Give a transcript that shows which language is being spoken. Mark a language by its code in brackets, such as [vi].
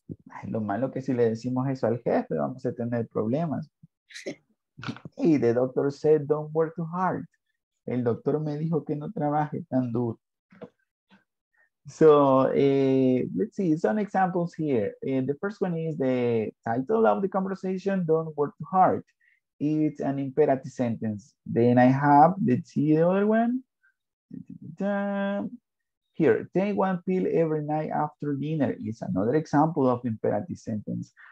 [es] Ay, lo malo que si le decimos eso al jefe, vamos a tener problemas. [en] Y the doctor said, don't work too hard. [es] El doctor me dijo que no trabaje tan duro. [en] So, let's see some examples here. And the first one is the title of the conversation, don't work too hard. It's an imperative sentence. Then I have, let's see the other one. Here, take one pill every night after dinner is another example of imperative sentence.